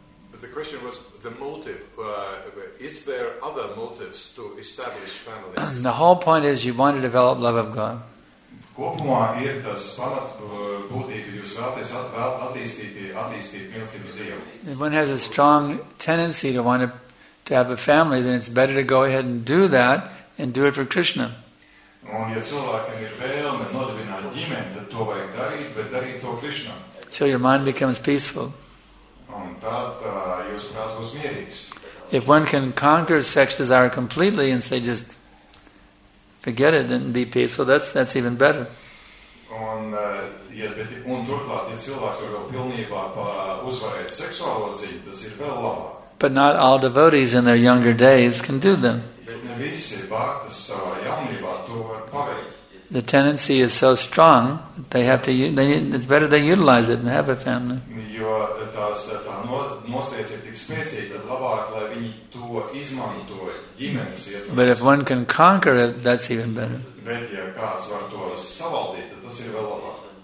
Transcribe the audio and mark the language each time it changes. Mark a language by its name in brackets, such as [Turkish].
[English] But the question was the motive. Is there other motives to establish families? The whole point is you want to develop love of God. [Latvian] Kopumā ir tas pamat būtība, jūs vēlaties attīstīt mīlestību uz Dievu. [English] If one has a strong tendency to want to have a family, then it's better to go ahead and do that and do it for Krishna. [Latvian] Un ja cilvēkam ir vēlme nodibināt ģimeni, tad to vajag darīt, bet darīt to Krishna. [English] So your mind becomes peaceful. [Latvian] Un tad jūs prāts būs mierīgs. [English] If one can conquer sex desire completely and say just forget it and be peaceful, that's even better. [Latvian] Un, turklāt, ja cilvēks var vēl pilnībā uzvarēt seksuālo dzīvi, tas ir vēl labāk. [English] But not all devotees in their younger days can do them. [Latvian] Bet ne visi bhaktas savā jaunībā to var paveikt. [English] The tendency is so strong that it's better they utilize it and have a family. [Latvian] Jo tā nostiecība ir tik spēcīga, tad labāk, lai viņi to izmanto ģimenes ietvaros. [English] But if one can conquer it, that's even better. [Latvian] Bet ja kāds var to savaldīt, tad tas ir vēl labāk.